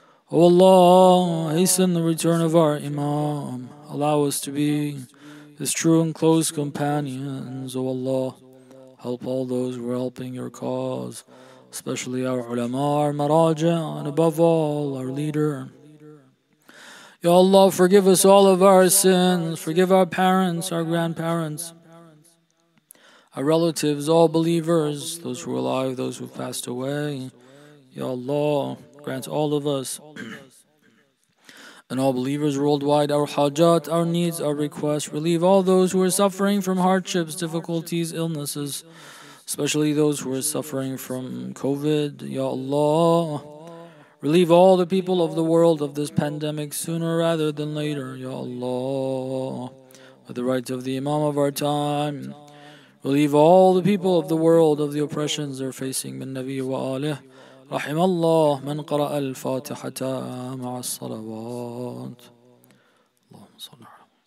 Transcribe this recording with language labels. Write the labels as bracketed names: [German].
[Arabic] والله [English] hasten the return of our imam allow us to be his true and close companions oh Allah Help all those who are helping your cause, especially our ulama, our maraja, and above all, our leader. Ya Allah, forgive us all of our sins. Forgive our parents, our grandparents, our relatives, all believers, those who are alive, those who have passed away. Ya Allah, grant all of us and all believers worldwide our hajat, our needs, our requests. Relieve all those who are suffering from hardships, difficulties, illnesses, especially those who are suffering from COVID. Ya Allah, relieve all the people of the world of this pandemic sooner rather than later. Ya Allah, by the right of the Imam of our time, relieve all the people of the world of the oppressions they're facing. Min Nabi wa Alih. [Arabic] رحم الله من قرأ الفاتحة مع الصلوات اللهم صل على